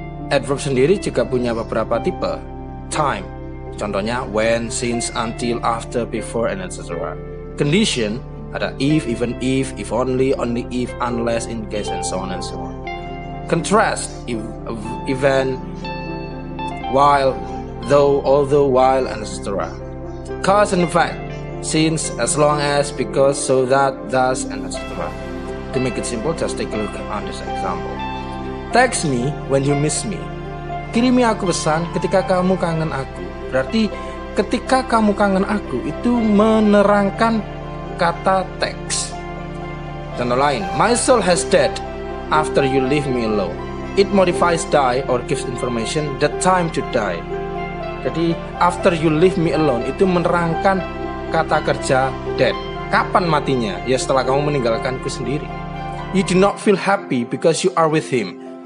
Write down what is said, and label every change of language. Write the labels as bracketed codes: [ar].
[id] Adverb sendiri juga punya beberapa tipe. [en] Time, [id] contohnya [en] when, since, until, after, before, and etc. Condition, [id] ada [en] if, if only, only if, unless, in case, and so on and so on. Contrast, even, while, though, although, while, and etc. Cause and effect, since, as long as, because, so that, thus, and etc. To make it simple, just take a look at this example. Text me when you miss me. [id] Kirimi aku pesan ketika kamu kangen aku. Berarti ketika kamu kangen aku itu menerangkan kata text. Contoh lain, [en] my soul has dead after you leave me alone. It modifies die or gives information the time to die. [id] Jadi [en] after you leave me alone [id] itu menerangkan kata kerja dead. Kapan matinya? Ya setelah kamu meninggalkanku sendiri. [en] You do not feel happy because you are with him.